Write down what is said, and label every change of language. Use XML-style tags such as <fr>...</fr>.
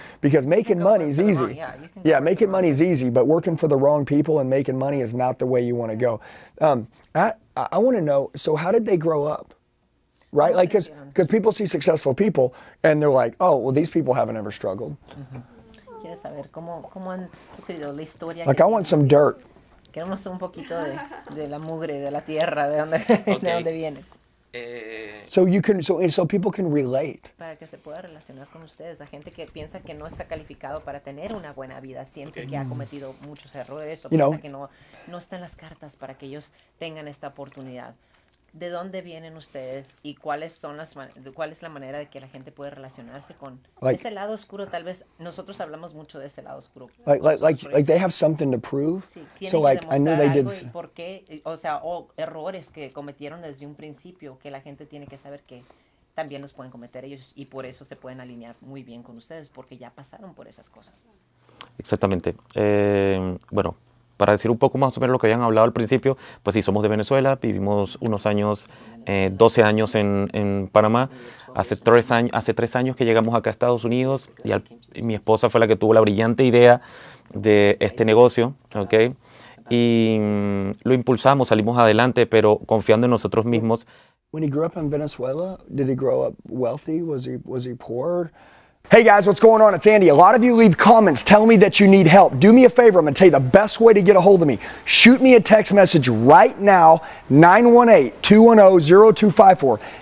<en>Because making money is easy. Yeah, making money is easy, but working for the wrong people and making money is not the way you want to go. I want to know, so how did they grow up? Right? Like, because people see successful people and they're like, oh, well, these people haven't ever struggled. Mm-hmm.</en> <es>Saber cómo han sufrido la historia.</es> <en>Like, I want some dirt.</en> <es>Queremos un poquito de la mugre, de la tierra, de donde, okay. De donde viene.</es> <en>So people can relate.</en> <es>Para que se pueda relacionar con ustedes. La gente que piensa que no está calificado para tener una buena vida, siente okay. Que ha cometido muchos errores o</es> <en>you</en> <es>piensa</es> <en>know.</en> <es>Que no están las cartas para que ellos tengan esta oportunidad. ¿De dónde vienen ustedes y cuál es la manera de que la gente puede relacionarse con</es> <en>like,</en> <es>ese lado oscuro? Tal vez nosotros hablamos mucho de ese lado oscuro.</es> <en>Like they have something to prove.</en> <es>Sí, tienen</es> <en>so que like I knew they did.</en> <es>¿Por qué? O sea, errores que cometieron desde un principio que la gente tiene que saber que también los pueden cometer ellos y por eso se pueden alinear muy bien con ustedes porque ya pasaron por esas cosas. Exactamente. Bueno, para decir un poco más o menos lo que habían hablado al principio, pues sí, somos de Venezuela, vivimos unos años, 12 años en Panamá, hace tres años que llegamos acá a Estados Unidos y mi esposa fue la que tuvo la brillante idea de este negocio, ¿ok? Y lo impulsamos, salimos adelante, pero confiando en nosotros mismos.</es> <en>When he grew up in Venezuela, did he grow up wealthy? Was he poor? Hey guys, what's going on? It's Andy. A lot of you leave comments telling me that you need help. Do me a favor, I'm gonna tell you the best way to get a hold of me. Shoot me a text message right now, 918-210-0254.</en>